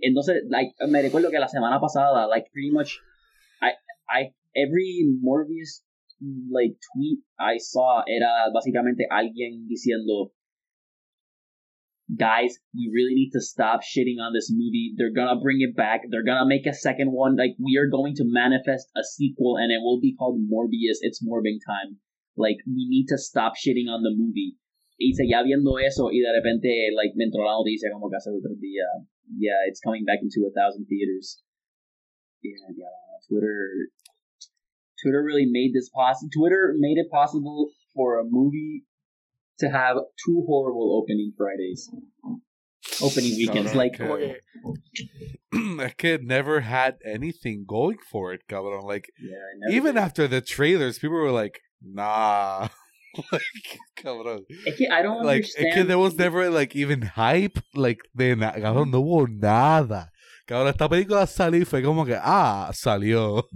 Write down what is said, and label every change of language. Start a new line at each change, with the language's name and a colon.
Spanish: Entonces,
English: like,
Spanish: me recuerdo que la semana pasada,
English: like, pretty much, I every Morbius, like, tweet I saw
Spanish: era básicamente alguien diciendo,
English: guys, we really need to stop shitting on this movie. They're gonna bring it back. They're gonna make a second one. Like, we are going to manifest a sequel, and it will be called Morbius. It's Morbing time. Like, we need to stop shitting on the movie.
Spanish: Y seguía viendo eso, y de repente, like, me entró la noticia como que hace otro día.
English: Yeah, it's coming back into 1,000 theaters. Yeah, Twitter really made this possible. Twitter made it possible for a movie to have two horrible opening Fridays. Opening weekends. Okay. Like, that kid never had anything going for it, cabrón. Like, yeah, even did. After the trailers, people were like, nah. Like, cabrón.
Spanish: Es que
English: I don't like, understand.
Spanish: Es que
English: there was never, like, even hype.
Spanish: Like, de cabrón, no hubo nada. Cabrón, esta película salió y fue como que, ah, salió.